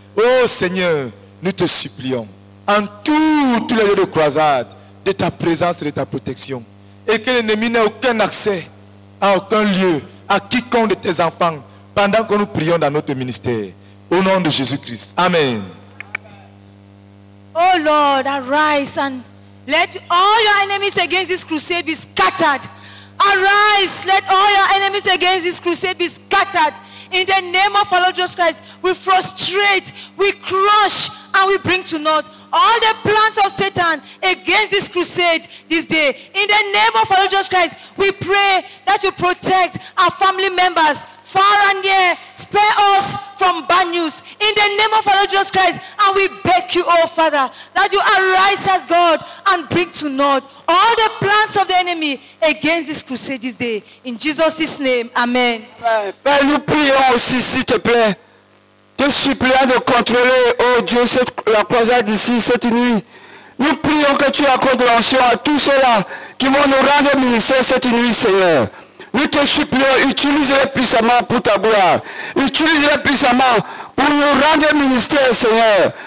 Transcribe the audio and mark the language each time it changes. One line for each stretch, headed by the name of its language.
French: Oh Seigneur, nous te supplions, en tous les lieux de croisade, de ta présence et de ta protection, et que l'ennemi n'ait aucun accès à aucun lieu, à quiconque de tes enfants, pendant que nous prions dans notre ministère. Au nom de Jésus-Christ. Amen.
English: Oh Lord, arise and let all your enemies against this crusade be scattered. Arise, let all your enemies against this crusade be scattered. In the name of our Lord Jesus Christ, we frustrate, we crush, and we bring to naught all the plans of Satan against this crusade this day. In the name of our Lord Jesus Christ, we pray that you protect our family members far and near. Spare us from bad news. In the name of our Lord Jesus Christ, and we beg you, oh Father, that you arise as God and bring to naught all the plans of the enemy against this crusade this day. In Jesus' name, amen.
French: Père, nous prions aussi, s'il te plaît, te suppliant de contrôler, oh Dieu, la croisade ici, cette nuit. Nous prions que tu accordes l'onction à tous ceux-là qui vont nous rendre ministère cette nuit, Seigneur. Nous te supplions, utilise-les puissamment pour ta gloire. Utilise-les puissamment pour nous rendre ministère, Seigneur.